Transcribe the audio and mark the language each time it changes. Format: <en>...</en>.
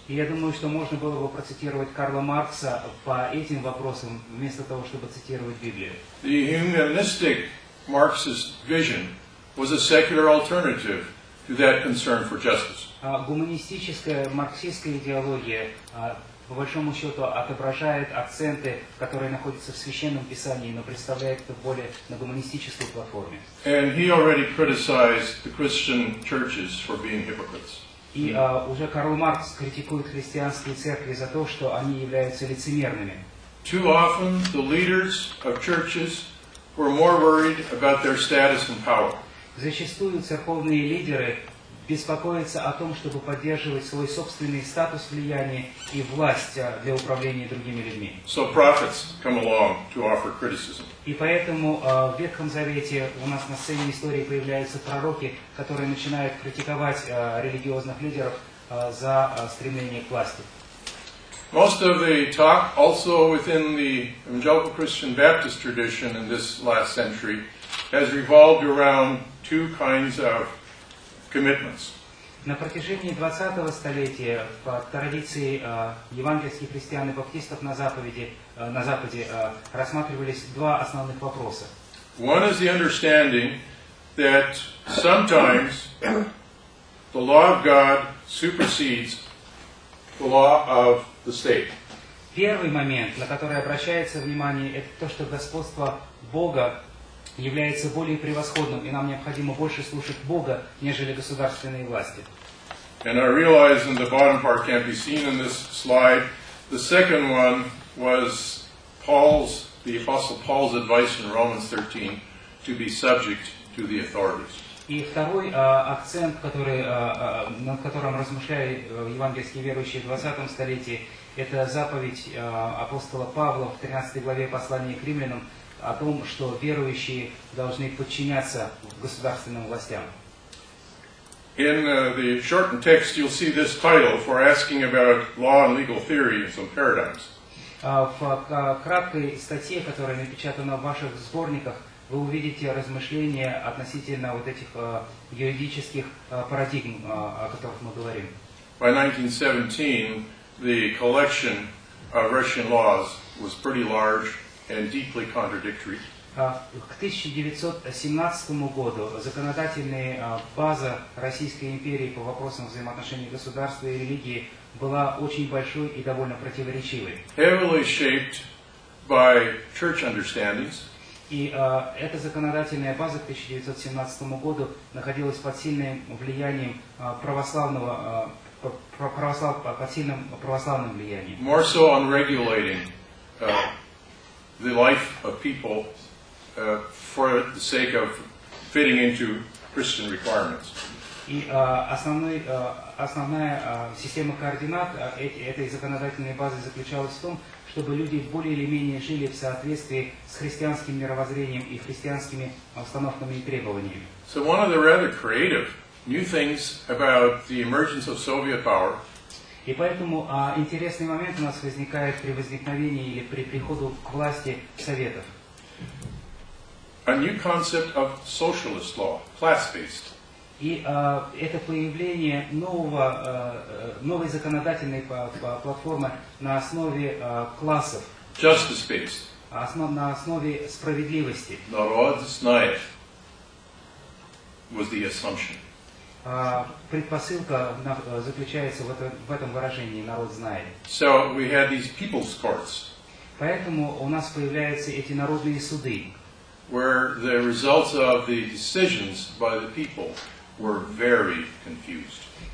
<ru>И я думаю, что можно было бы процитировать Карла Маркса по этим вопросам, вместо того, чтобы цитировать Библию.</ru> <en>The humanistic Marxist vision was a secular alternative to that concern for justice.</en> <ru>Гуманистическая марксистская идеология, по большому счету, отображает акценты, которые находятся в Священном Писании, но представляет это более на гуманистической платформе.</ru> <en>And he already criticized the Christian churches for being hypocrites.</en> <ru>И уже Карл Маркс критикует христианские церкви за то, что они являются лицемерными.</ru> <en>Too often the leaders of churches were more worried about their status and power.</en> <ru>Зачастую церковные лидеры беспокоятся о том, чтобы поддерживать свой собственный статус влияния и власть для управления другими людьми.</ru> <en>So prophets come along to offer criticism.</en> <ru>И поэтому в Ветхом Завете у нас на сцене истории появляются пророки, которые начинают критиковать религиозных лидеров за стремление к власти.</ru> <en>Most of the talk also within the evangelical Christian Baptist tradition in this last century has revolved around two kinds of commitments.</en> <ru>На протяжении 20-го столетия по традиции евангельских христиан и баптистов на Западе рассматривались два основных вопроса.</ru> <en>One is the understanding that sometimes the law of God supersedes the law of the state.</en> <ru>Первый момент, на который обращается внимание, это то, что господство Бога является более превосходным, и нам необходимо больше слушать Бога, нежели государственные власти.</ru> <en>And I realize in the bottom part can't be seen in this slide. The second one was the Apostle Paul's advice in Romans 13 to be subject to the authorities.</en> <ru>И второй акцент, над которым размышляют евангельские верующие в 20-м столетии, это заповедь апостола Павла в 13 главе послания к римлянам о том, что верующие должны подчиняться государственным властям.</ru> <en>In the shortened text you'll see this title for asking about law and legal theory and some paradigms.</en> <ru>В краткой статье, которая напечатана в ваших сборниках, вы увидите размышления относительно вот этих юридических парадигм, о которых мы говорим.</ru> <en>By 1917, the collection of Russian laws was pretty large and deeply contradictory.</en> <ru>К 1917 году законодательная база Российской империи по вопросам взаимоотношений государства и религии была очень большой и довольно противоречивой.</ru> <en>Heavily shaped by church understandings.</en> <ru>И эта законодательная база к 1917 году находилась под сильным влиянием православным влиянием.</ru> <en>More so on regulating the life of people for the sake of fitting into Christian requirements.</en> <ru>И основная система координат этой законодательной базы заключалась в том, чтобы люди более или менее жили в соответствии с христианским мировоззрением и христианскими установками и требованиями.</ru> <en>So one of the rather creative new things about the emergence of Soviet power.</en> <ru>И поэтому интересный момент у нас возникает при возникновении или при приходу к власти Советов.</ru> <en>A new concept of socialist law, class-based.</en> <ru>И это появление новой законодательной платформы на основе классов.</ru> <en>Justice-based.</en> <ru>На основе справедливости.</ru> <en>Народная was the assumption.</en> <ru>Предпосылка заключается в этом выражении «народ знает».</ru> <en>So we had these people's courts.</en> <ru>Поэтому у нас появляются эти народные суды.</ru> <en>Where the results of the decisions by the people were very confused.</en>